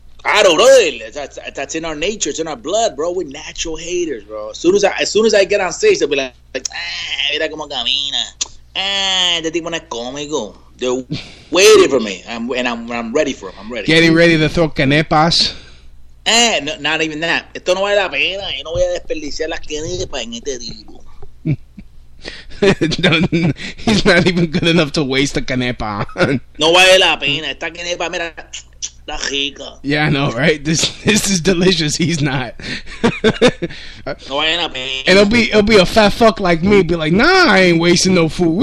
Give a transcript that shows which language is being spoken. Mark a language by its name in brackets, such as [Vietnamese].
[English] I don't know. That's in our nature. It's in our blood, bro. We're natural haters, bro. As soon as I get on stage, they'll be like, ah, [Spanish] mira como camina. [English] Ah, they think when I come, go. They're waiting for me, I'm ready for them. I'm ready. Getting ready to throw canepas. Not even that. [Spanish] Esto no vale la pena. Yo no voy a desperdiciar las canepas en este tipo. [English] No, he's not even good enough to waste a canepa. [Spanish] No vale la pena. Esta canepa, mira, la rica. [English] Yeah, I know, right? This is delicious. He's not. [Spanish] No vale la pena. [English] And it'll be a fat fuck like me. Be like, nah, I ain't wasting no food.